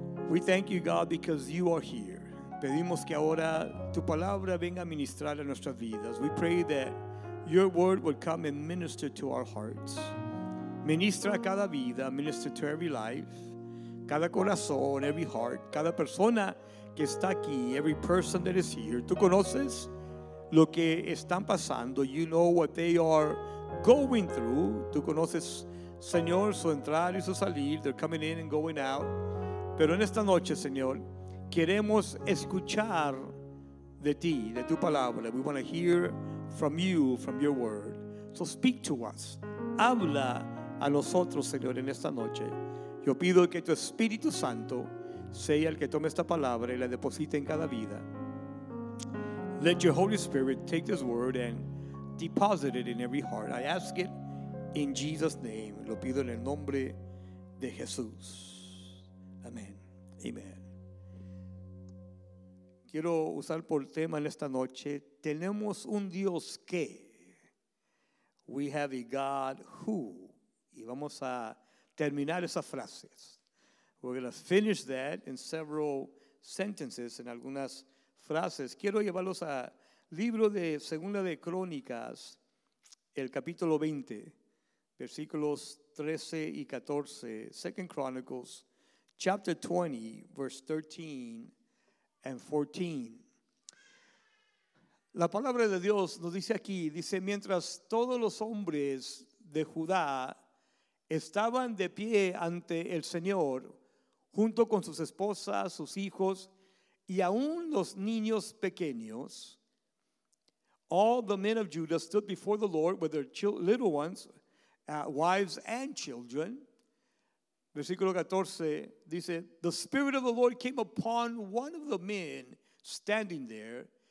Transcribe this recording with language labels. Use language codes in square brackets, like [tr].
[en] We thank you, God, because you are here. [es] Pedimos que ahora tu palabra venga a ministrar a nuestras vidas. [en] We pray that your word would come and minister to our hearts. [es] Ministra cada vida, [en] minister to every life, [es] cada corazón, [en] every heart, [es] cada persona que está aquí, [en] every person that is here. [es] Tú conoces lo que están pasando. [en] You know what they are going through. [es] Tú conoces, Señor, su entrar y su salir. [en] They're coming in and going out. [es] Pero en esta noche, Señor, queremos escuchar de ti, de tu palabra. [en] We want to hear from you, from your word. So speak to us. [es] Habla a nosotros, Señor, en esta noche. Yo pido que tu Espíritu Santo sea el que tome esta palabra y la deposite en cada vida. [en] Let your Holy Spirit take this word and deposit it in every heart. I ask it in Jesus' name. [es] Lo pido en el nombre de Jesús. Amén. Amén. Quiero usar por tema en esta noche, tenemos un Dios que. [en] We have a God who. [es] Y vamos a terminar esas frases. [en] We're going to finish that in several sentences, [es] en algunas frases. Quiero llevarlos a libro de Segunda de Crónicas, el capítulo 20, versículos 13 y 14. [en] Second Chronicles, chapter 20, verse 13 and 14. [es] La palabra de Dios nos dice aquí, dice, mientras todos los hombres de Judá estaban de pie ante el Señor, junto con sus esposas, sus hijos, y aún los niños pequeños. [en] All the men of Judah stood before the Lord with their little ones, wives and children. [es] Versículo 14 dice, [en] "The Spirit of the Lord came upon one of the men standing there.